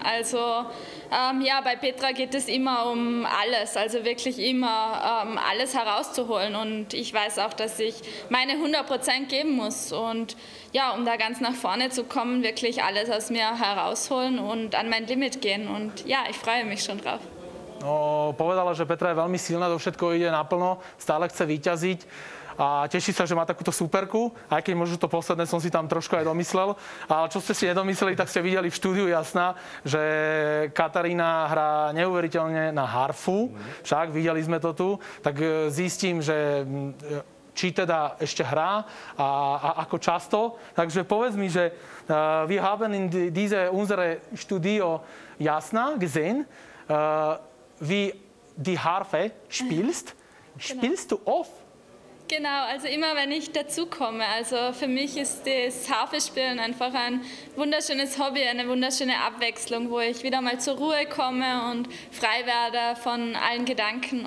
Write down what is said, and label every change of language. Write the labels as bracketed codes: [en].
[de] Also ja, bei Petra geht es immer um alles, also wirklich immer alles herauszuholen. Und ich weiß auch, dass ich meine 100% geben muss. Und ja, um da ganz nach vorne zu kommen, wirklich alles aus mir herausholen und an mein Limit gehen. Und ja, ich freue mich schon drauf. [sk] No, povedala, že Petra je veľmi silná, do všetko ide naplno, stále chce víťaziť. a teší sa, že má takúto superku, aj keď možno to posledné som si tam trošku aj domyslel. Ale čo ste si nedomysleli, tak ste videli v štúdiu jasná, že Katarína hrá neuveriteľne na harfu. Však videli sme to tu. Tak zistím, že či teda ešte hrá a ako často. Takže povedz mi, že [de] wir haben in diese unsere Studio jasná gesehen, wie die Harfe spielst. Spielst du oft? Genau, also immer wenn ich dazukomme. Also für mich ist das Harfespielen einfach ein wunderschönes Hobby, eine wunderschöne Abwechslung, wo ich wieder mal zur Ruhe komme und frei werde von allen Gedanken.